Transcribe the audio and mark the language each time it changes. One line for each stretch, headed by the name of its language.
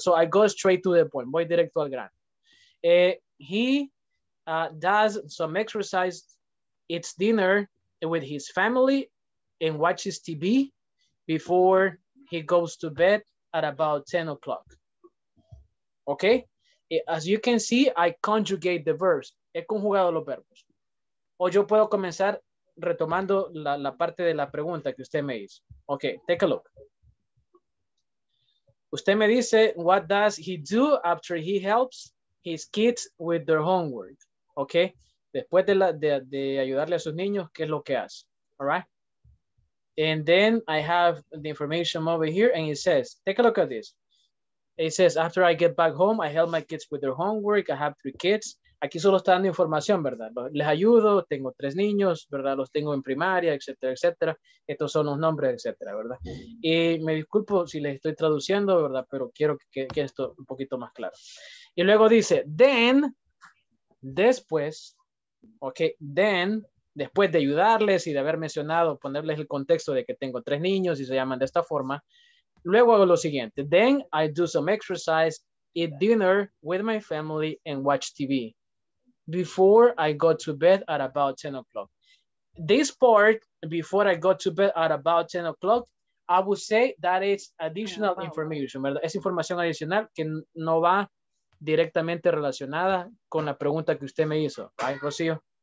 English: So I go straight to the point.
Spanish: Voy directo al grano.
English: He does some exercise. It's dinner with his family and watches TV before he goes to bed at about 10 o'clock. Okay? As you can see, I conjugate the verbs.
Spanish: He conjugado los verbos. O yo puedo comenzar retomando la parte de la pregunta que usted me hizo.
English: Ok, take a look.
Spanish: Usted me dice,
English: what does he do after he helps his kids with their homework?
Spanish: Ok, después de ayudarle a sus niños, ¿qué es lo que hace?
English: All right. And then I have the information over here and it says, take a look at this. It says, after I get back home, I help my kids with their homework. I have 3 kids.
Spanish: Aquí solo está dando información, ¿verdad? Les ayudo, tengo 3 niños, ¿verdad? Los tengo en primaria, etcétera, etcétera. Estos son los nombres, etcétera, ¿verdad? Y me disculpo si les estoy traduciendo, ¿verdad? Pero quiero que quede esto un poquito más claro. Y luego dice, then, después, ok, then, después de ayudarles y de haber mencionado, ponerles el contexto de que tengo 3 niños y se llaman de esta forma, luego hago lo siguiente,
English: then I do some exercise, eat dinner with my family and watch TV before I go to bed at about 10 o'clock. This part, before I go to bed at about 10 o'clock, I would say that it's additional information, ¿verdad?
Spanish: Es información adicional que no va directamente relacionada con la pregunta que usted me hizo, right, Rocío?